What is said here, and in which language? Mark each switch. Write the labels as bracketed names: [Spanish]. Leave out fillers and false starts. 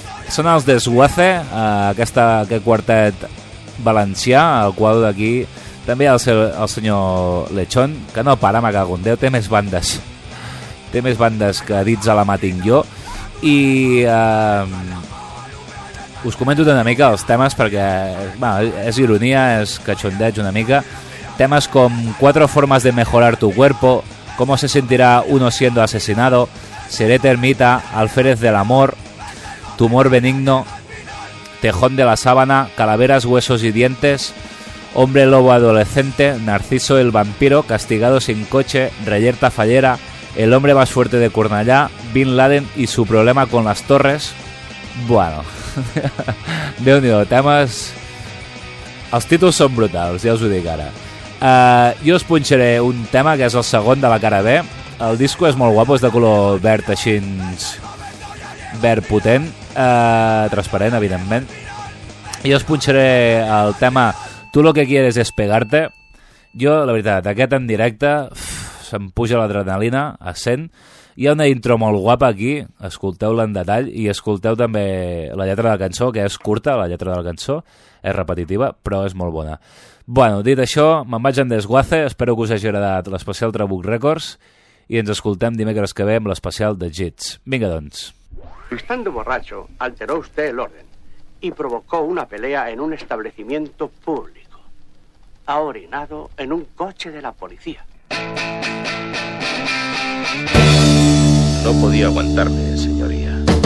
[Catalan] Són els Desguace, aquest quartet valencià, el qual d'aquí també hi ha el senyor Lechón, que no para, me cago en Déu, té més bandes. Té més bandes que dits a la mà tinc jo. I us comento una mica els temes perquè bueno, és ironia, és cachondeig una mica. [Spanish] Temes com Cuatro formas de mejorar tu cuerpo, Cómo se sentirá uno siendo asesinado, Seré termita, Alférez del amor, Tumor benigno, Tejón de la sábana, Calaveras, huesos y dientes, Hombre lobo adolescente, Narciso el vampiro, Castigado sin coche, Reyerta fallera, El hombre más fuerte de Cornellá, Bin Laden y su problema con las torres. [Catalan] Bueno, déu-n'hi-do, temes, els títols són brutals, ja us ho dic ara. Jo us punxaré un tema que és el segon de la cara B, El disco és molt guapo, és de color verd, així, verd potent, transparent, evidentment. Jo us punxaré el tema Tu lo que quieres es pegarte. Jo, la veritat, aquest en directe, se'm puja l'adrenalina a 100. Hi ha una intro molt guapa aquí, escolteu-la en detall i escolteu també la lletra de la cançó, que és curta, la lletra de la cançó, és repetitiva, però és molt bona. Bueno, dit això, me'n vaig en desguace, espero que us hagi agradat l'especial Trabuc Records i ens escoltem dimecres que ve amb l'especial de Jits. Vinga, doncs. [Spanish] Estando borracho, alteró usted el orden y provocó una pelea en un establecimiento público. Ha orinado en un coche de la policía. No podía aguantarme, señoría.